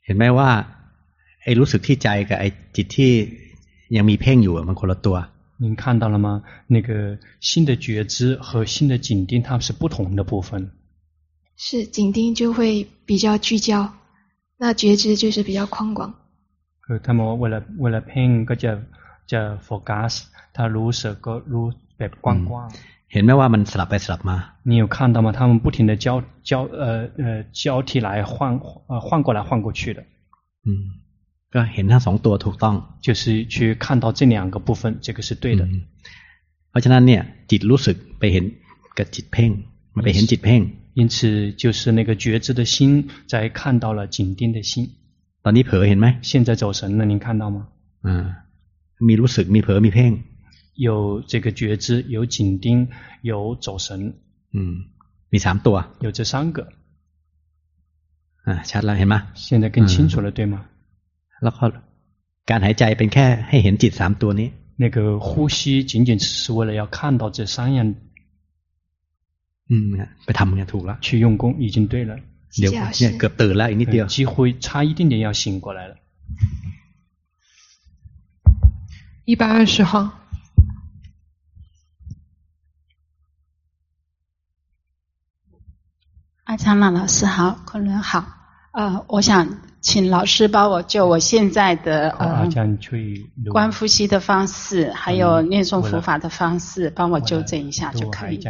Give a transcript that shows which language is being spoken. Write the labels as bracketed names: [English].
[Thai] เห็นไหมว่าไอ้รู้สึกที่ใจกับไอ้จิตที่ยังมีเพ่งอยู่มันคนละตัว [Chinese] 您看到了吗那个心的觉知和心的紧盯它是不同的部分是紧盯就会比较聚焦那觉知就是比较宽广他们为了拼个叫 focus 他如此个如此宽广 [Thai] เห็นไหมว่ามันสลับไปสลับมา [Chinese] 你有看到吗他们不停的交替来换过来换过去的 [Thai] ก็เห็นทั้งสองตัวถูกต้อง [Chinese] 就是去看到这两个部分这个是对的 [Thai] เพราะฉะนั้นเนี่ยจิตรู้สึกไปเห็นกับจิตเพ่งมันไปเห็นจิตเพ่ง [Chinese] 因此就是那个觉知的心在看到了紧盯的心 [Thai] ตอนนี้เผลอเห็นไหม [Chinese] 现在走神了您看到吗 [Thai] มีรู้สึกมีเผลอมีเพ่ง [Chinese] 有这个觉知有紧盯有走神 [Thai] มีสามตัว [Chinese] 有这三个 [Thai] ชัดแล้วเห็นไห [Chinese] ม现在更清楚了对吗 [Thai] แล้วก็การหายใจเป็นแค่ให้เห็นจิต3ตัวนี้ [Chinese] 那个呼吸仅仅是为了要看到这三样 [Thai] ไปทำเนี่ยถูกแล้ว [Chinese] 去用功已经对了 [Thai] เดี๋ยวเนี่ยเกือบตื่นแล้วอีกนิดเดียว [Chinese] 几乎差一点点要醒过来了 120号阿昌朗老师好，昆仑好。我想请老师帮我就我现在的观呼吸的方式，还有念诵佛法的方式，帮我纠正一下就可以。